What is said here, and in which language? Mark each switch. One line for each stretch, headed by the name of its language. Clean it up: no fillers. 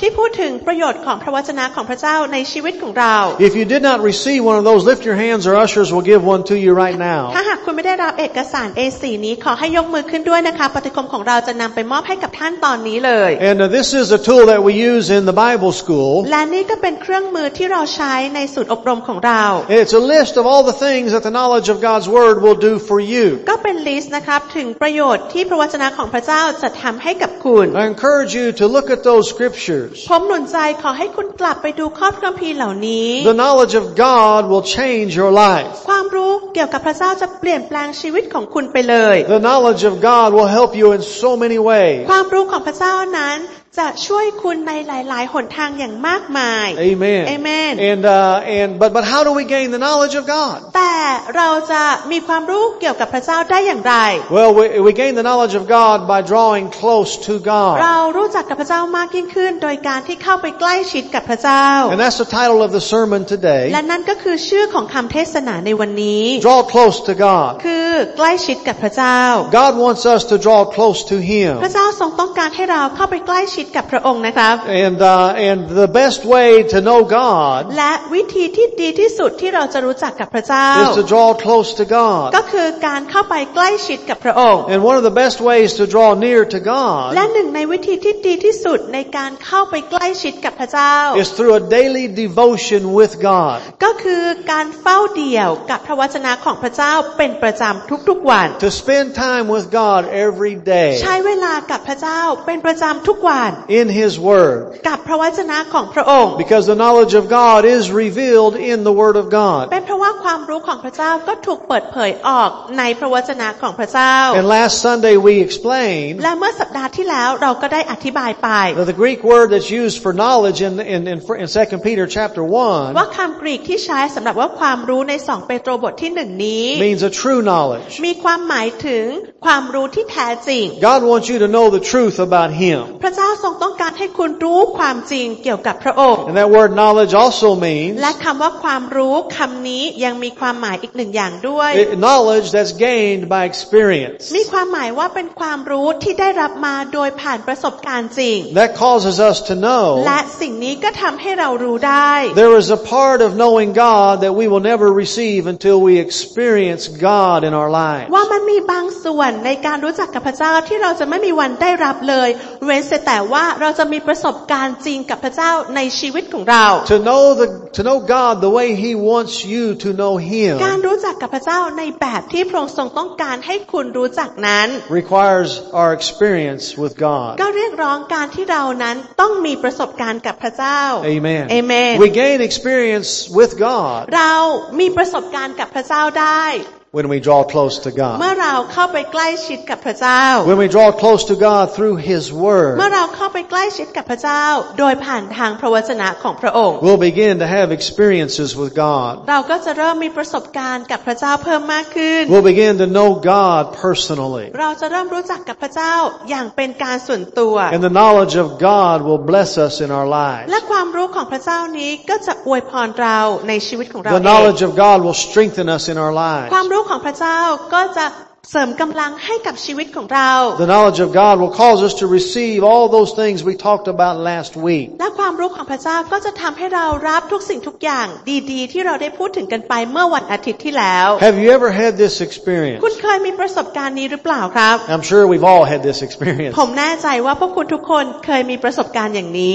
Thai: ที่พูดถึงประโยชน์ของพระวจนะของพระเจ้าในชีวิตของเรา
English: If you did not receive one of those, lift your hands or ushers will give one to you right now.
Thai: ถ้าหากคุณไม่ได้รับเอกสาร A4 นี้ขอให้ยกมือขึ้นด้วยนะคะปฏิคมของเราจะนำไปมอบให้กับท่านตอนนี้เลย
English: And this is a tool that we use in the Bible school
Thai: และนี่ก็เป็นเครื่องมือที่เราใช้ในศูนย์อบรมของเรา
English: It's a list of all the things that the knowledge of God's word will do for you
Thai: ก็เป็นลิสต์นะครับถึงประโยชน์ที่พระวจนะของพระเจ้าจะทําให้กับคุณ
English: I encourage you to look at those scriptures
Thai: ผมหนุนใจขอให้คุณกลับไปดูข้อพระคัมภีร์เหล่านี้
English: The knowledge of God will change your life
Thai: ความรู้เกี่ยวกับพระเจ้าจะเปลี่ยนแปลงชีวิตของคุณไปเลย
English: The knowledge of God will help you in so many ways
Thai: ความรู้ของพระเจ้านั้นจะช่วยคุณในหลายๆหนทางอย่างมากมาย
English: Amen. Amen. And but how do we gain the knowledge of God?
Thai: แต่เราจะมีความรู้เกี่ยวกับพระเจ้าได้อย่างไร
English: Well, we gain the knowledge of God by drawing close to God.
Thai: เรารู้จักกับพระเจ้ามากยิ่งขึ้นโดยการที่เข้าไปใกล้ชิดกับพระเจ้า
English: And that's the title of the sermon today.
Thai: และนั่นก็คือชื่อของคำเทศนาในวันนี้
English: Draw close to God.
Thai: คือใกล้ชิดกับพระเจ้า
English: God wants us to draw close to Him.
Thai: พระเจ้าทรงต้องการให้เราเข้าไปใกล้ชิดกับพระองค์นะครับ
English: and the best way to know God
Thai: และวิธีที่ดีที่สุดที่เราจะรู้จักกับพระเจ้า
English: is to draw close to God
Thai: ก็คือการเข้าไปใกล้ชิดกับพระองค์
English: and one of the best ways to draw near to God
Thai: และหนึ่งในวิธีที่ดีที่สุดในการเข้าไปใกล้ชิดกับพระเจ้า
English: is through a daily devotion with God
Thai: ก็คือการเฝ้าเดี่ยวกับพระวจนะของพระเจ้าเป็นประจำทุกๆวัน
English: to spend time with God every day
Thai: ใช้เวลากับพระเจ้าเป็นประจำทุกวัน
English: In His Word,
Thai: กับพระวจนะของพระองค์
English: because the knowledge of God is revealed in the Word of God.
Thai: เป็นเพราะว่าความรู้ของพระเจ้าก็ถูกเปิดเผยออกในพระวจนะของพระเจ้า
English: And last Sunday we explained.
Thai: และเมื่อสัปดาห์ที่แล้วเราก็ได้อธิบายไป
English: that the Greek word that's used for knowledge in 2 Peter chapter 1.
Thai: ว่าคำกรีกที่ใช้สำหรับว่าความรู้ใน2เปโตรบทที่1นี้
English: means a true knowledge.
Thai: มีความหมายถึงความรู้ที่แท้จริง
English: God wants you to know the truth about Him.
Thai: พระเจ้าทรงต้องการให้คุณรู้ความจริงเกี่ยวกับพระองค์
English: And that word knowledge also means
Thai: และคำว่าความรู้คำนี้ยังมีความหมายอีกหนึ่งอย่างด้วย
English: knowledge that's gained by experience
Thai: มีความหมายว่าเป็นความรู้ที่ได้รับมาโดยผ่านประสบการณ์จริง
English: that causes us to know
Thai: และสิ่งนี้ก็ทำให้เรารู้ได้
English: there is a part of knowing God that we will never receive until we experience God in our lives
Thai: ว่ามันมีบางส่วนในการรู้จักกับพระเจ้าที่เราจะไม่มีวันได้รับเลยเว้นแต่ว่าเราจะมีประสบการณ์จริงกับพระเจ้าในชีวิตของเรา
English: To know God the way He wants you to know Him
Thai: การรู้จักกับพระเจ้าในแบบที่พระองค์ทรงต้องการให้คุณรู้จักนั้น
English: requires our experience with God
Thai: ก็เรียกร้องการที่เรานั้นต้องมีประสบการณ์กับพระเจ้า
English: Amen Amen We gain experience with God
Thai: เรามีประสบการณ์กับพระเจ้าได้
English: When we draw close to God.
Thai: เมื่อเราเข้าไปใกล้ชิดกับพระเจ้า
English: When we draw close to God through His Word.
Thai: เมื่อเราเข้าไปใกล้ชิดกับพระเจ้าโดยผ่านทางพระวจนะของพระองค์
English: We'll begin to have experiences with God.
Thai: เราก็จะเริ่มมีประสบการณ์กับพระเจ้าเพิ่มมากขึ้น
English: We'll begin to know God personally.
Thai: เราจะเริ่มรู้จักกับพระเจ้าอย่างเป็นการส่วนตัว
English: And the knowledge of God will bless us in our lives.
Thai: และความรู้ของพระเจ้านี้ก็จะอวยพรเราในชีวิตของเรา
English: The knowledge of God will strengthen us in our lives.
Thai: รู้ของพระเจ้าก็จะเสริมกำลังให้กับชีวิตของเรา
English: The knowledge of God will cause us to receive all those things we talked about last week.
Thai: และความรู้ของพระเจ้าก็จะทำให้เรารับทุกสิ่งทุกอย่างดีๆที่เราได้พูดถึงกันไปเมื่อวันอาทิตย์ที่แล้ว
English: Have you ever had this experience?
Thai: คุณเคยมีประสบการณ์นี้หรือเปล่าครับ
English: I'm sure we've all had this experience.
Thai: ผมแน่ใจว่าพวกคุณทุกคนเคยมีประสบการณ์อย่างนี